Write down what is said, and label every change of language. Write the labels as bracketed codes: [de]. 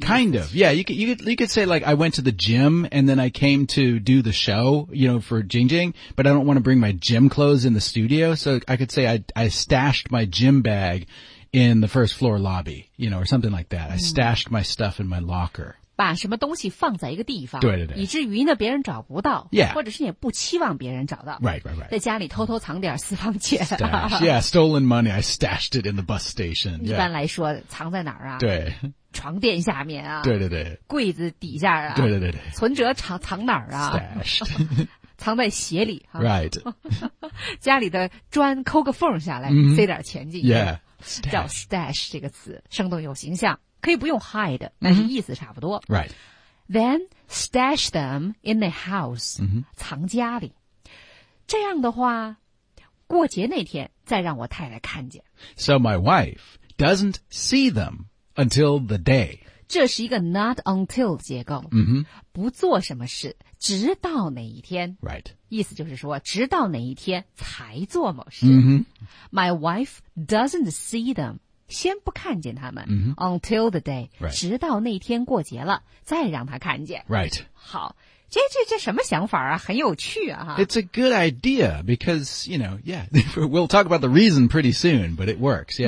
[en] Kind of, yeah, you could say like I went to the gym and then I came to do the show, you know, for Jing Jing, but I don't want to bring my gym clothes in the studio, so I could say I stashed my gym bag in the first floor lobby, you know, or something like that.、Mm. I stashed my stuff in my locker. [zh] 把什么东西放在一个地方，对对对，以至于呢别人找不到、 [en] yeah. [zh] 或者是也不期望别人找到 [en] right, right, right. [zh] 在家里偷偷藏点私房钱 [en] Stash. Yeah, stolen money, I stashed it in the bus station、yeah. [zh] 一般来说藏在哪儿啊对床垫下面啊对对对柜子底下啊对对对对存折 藏哪儿啊 [en] Stashed [zh] 藏在鞋里、啊、 [en] Right [zh] 家里的砖抠个缝下来、mm-hmm. 塞点钱进去 [en] Yeah、 [zh] Stash. 叫 stash 这个词生动有形象可以不用 hide, 但是意思差不多。 [en] Mm-hmm. Right. Then stash them in the house,、 mm-hmm. [zh] 藏家里。这样的话过节那天再让我太太看见。 [en] So my wife doesn't see them until the day. [zh] 这是一个 not until 结构、 mm-hmm. 不做什么事直到哪一天。 [en] Right. [zh] 意思就是说直到哪一天才做某事。 Mm-hmm. [en] My wife doesn't see them. 先不看见他们、 mm-hmm. until the day、 right. [zh] 直到那天过节了再让他看见 [en] right [zh] 好这什么想法啊很有趣啊 [en] it's a good idea because you know yeah we'll talk about the reason pretty soon but it works、yeah.